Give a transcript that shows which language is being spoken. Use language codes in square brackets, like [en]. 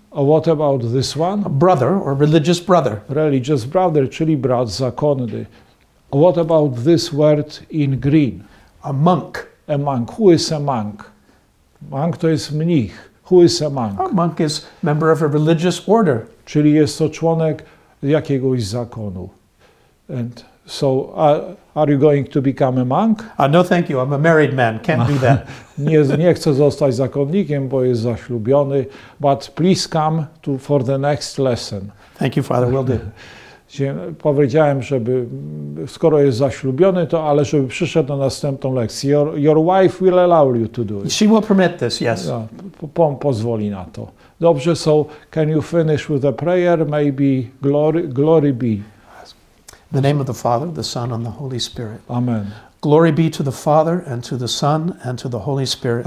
[en] What about this one? A brother, or religious brother. Religious brother, czyli brat zakonny. What about this word in green? A monk. A monk. Who is a monk? [pl] Monk to jest mnich. [en] Who is a monk? A monk is a member of a religious order. Czyli jest to członek jakiegoś zakonu. And So are you going to become a monk? No, thank you. I'm a married man. Can't do that. [pl] Nie chcę zostać zakonnikiem, bo jest zaślubiony. [en] But please come to for the next lesson. Thank you, Father. Will do. [pl] Powiedziałem, żeby, skoro jest zaślubiony, to ale żeby przyszedł na następną lekcję. [en] Your wife will allow you to do it. She will permit this, yes. [pl] Pozwoli na to. Dobrze, [en] so can you finish with a prayer? Maybe glory be. In the name of the Father, the Son, and the Holy Spirit. Amen. Glory be to the Father, and to the Son, and to the Holy Spirit.